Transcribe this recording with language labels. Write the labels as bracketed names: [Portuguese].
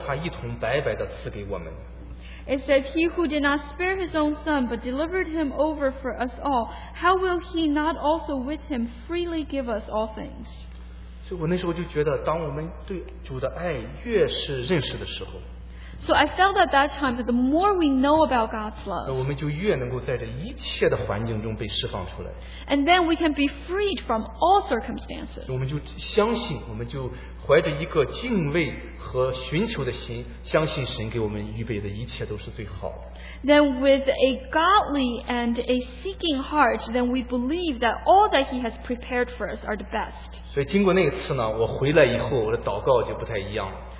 [Chinese] 神既不爱惜自己的儿子为我们众人舍了，岂不也把万物和他一同白白的赐给我们？ [English] It says, He who did not spare His own Son, but delivered Him over for us all, how will He not also with Him freely give us all things? [Chinese] 所以我那时候就觉得，当我们对主的爱越是认识的时候， [English] So I felt at that time that the more we know about God's love, [Chinese] 那我们就越能够在这一切的环境中被释放出来。 [English] And then we can be freed from all circumstances. [Chinese] 我们就相信，我们就怀着一个敬畏和寻求的心，相信神给我们预备的一切都是最好。 [English] Then with a godly and a seeking heart, then we believe that all that He has prepared for us are the best. [Chinese] 所以经过那次呢，我回来以后，我的祷告就不太一样了。